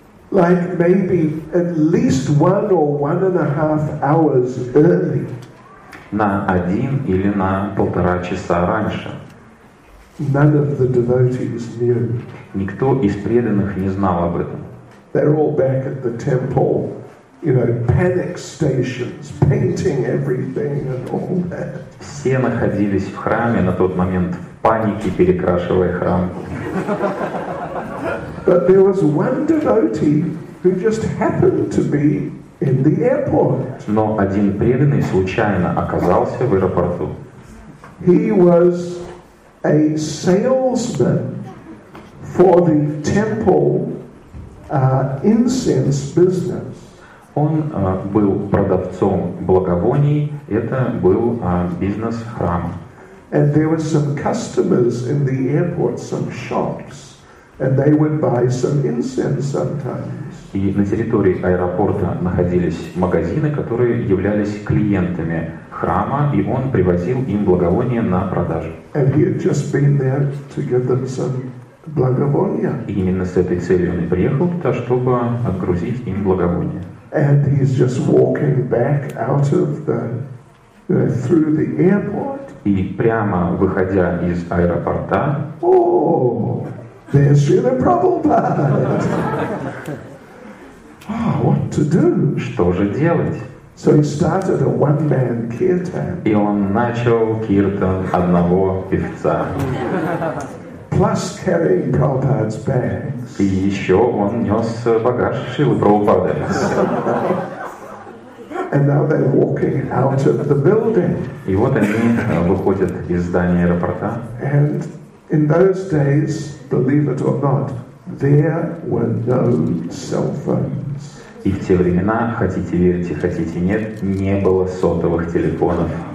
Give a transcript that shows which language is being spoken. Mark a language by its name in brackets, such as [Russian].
[English] Like maybe at least 1 or 1.5 hours early. [Russian] На один или на полтора часа раньше. [English] None of the devotees knew. [Russian] Никто из преданных не знал об этом. [English] They're all back at the temple, you know, panic stations, painting everything and all that. [Russian] Все находились в храме на тот момент в панике, перекрашивая храм. [English] But there was one devotee who just happened to be in the airport. [Russian] Но один преданный случайно оказался в аэропорту. [English] He was a salesman for the temple incense business. [Russian] Он был продавцом благовоний, это был бизнес храма. [English] And there were some customers in the airport, some shops. And they would buy some incense sometimes. [Russian] И на территории аэропорта находились магазины, которые являлись клиентами храма, и он привозил им благовония на продажу. [English] And he had just been there to give them some [Russian] благовония. И именно с этой целью он и приехал туда, чтобы отгрузить им благовония. [English] And he's just walking back out of the through the airport. [Russian] И прямо выходя из аэропорта. [English] Oh. There's Srila Prabhupada. Oh, what to do? [Russian] Что же делать? [English] So he started a one-man kirtan. [Russian] И он начал киртан одного певца. [English] Plus carrying Prabhupada's bags. [Russian] И еще он нес багаж Шрилы Прабхупады. [English] And now they're walking out of the building. [Russian] И вот они выходят из здания аэропорта. [English] And in those days, believe it or not, there were no cell phones. [Russian] И в те времена, хотите верьте, хотите нет, не было сотовых телефонов.